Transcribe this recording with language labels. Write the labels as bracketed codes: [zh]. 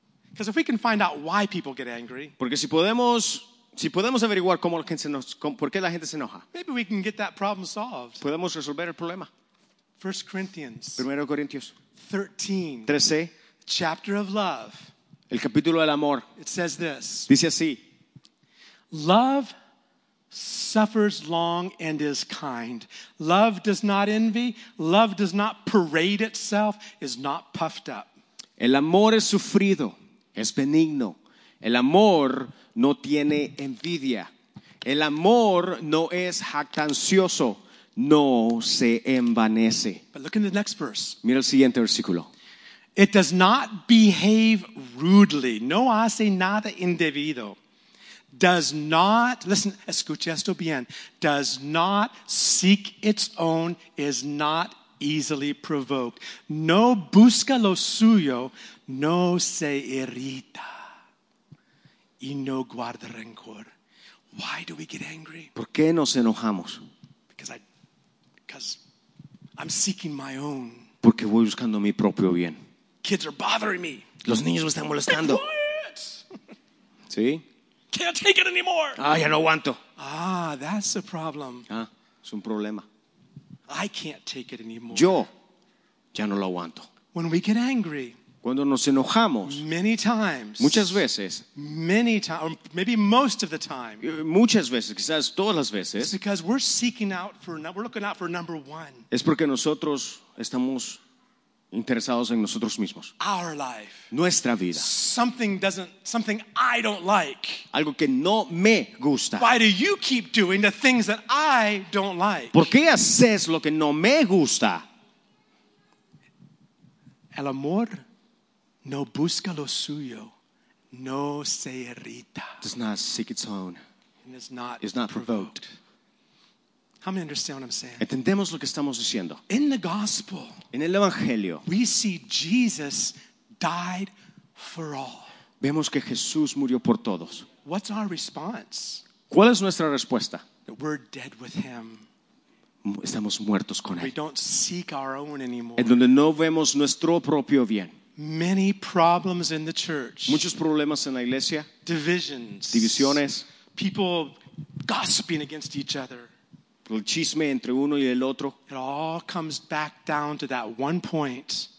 [en] Because if we can find out why people get angry, [es] porque si podemos averiguar cómo la gente se enoja, por qué la gente se enoja, [en] maybe we can get that problem solved. [es] Podemos resolver el problema. [en] 1 Corinthians. [es] 1 Corintios. 13. 13. [en] Chapter of love. [es] El capítulo del amor. [en] It says this. [es] Dice así. [en] Love suffers long and is kind. Love does not envy. Love does not parade itself. Is not puffed up. [es] El amor es sufrido, es benigno. El amor no tiene envidia. El amor no es jactancioso, no se envanece. [en] But look in the next verse. [es] Mira el siguiente versículo. [en] It does not behave rudely. [es] No hace nada indebido. [en] Does not, listen, [es] escuche esto bien. [en] Does not seek its own, is not easily provoked. [es] No busca lo suyo, no se irrita, y no guarda rencor. [en] Why do we get angry? [es] ¿Por qué nos enojamos? [en] Because I'm seeking my own. [es] Porque voy buscando mi propio bien. [en] Kids are bothering me. [es] Los niños me están molestando. [en] Be quiet. [es] ¿Sí? [en] Can't take it anymore. [es] Ah, ya no aguanto. [en] Ah, that's a problem. [es] Ah, es un problema. [en] I can't take it anymore. [es] Yo ya no lo aguanto. [en] When we get angry, [es] cuando nos enojamos, [en] many times, [es] muchas veces, [en] many times, or maybe most of the time, [es] muchas veces, quizás todas las veces, [en] it's because we're seeking out for, we're looking out for number one. [es] Es porque nosotros estamos interesados en nosotros mismos. [en] Our life, [es] nuestra vida. [en] Something I don't like. [es] Algo que no me gusta. [en] Why do you keep doing the things that I don't like? [es] ¿Por qué haces lo que no me gusta? El amor no busca lo suyo, no se irrita. [en] Does not seek its own. And is not provoked. How many understand what I'm saying? [es] Entendemos lo que estamos diciendo. [en] In the gospel, [es] en el evangelio, [en] we see Jesus died for all. [es] Vemos que Jesús murió por todos. [en] What's our response? [es] ¿Cuál es nuestra respuesta? [en] That we're dead with him. [es] Estamos muertos con él. [en] We don't seek our own anymore. [es] En donde no vemos nuestro propio bien. [en] Many problems in the church. [es] Muchos problemas en la iglesia. [en] Divisions. [es] Divisiones. [en] People gossiping against each other. [es] El chisme entre uno y el otro. [en] It all comes back down to that one point.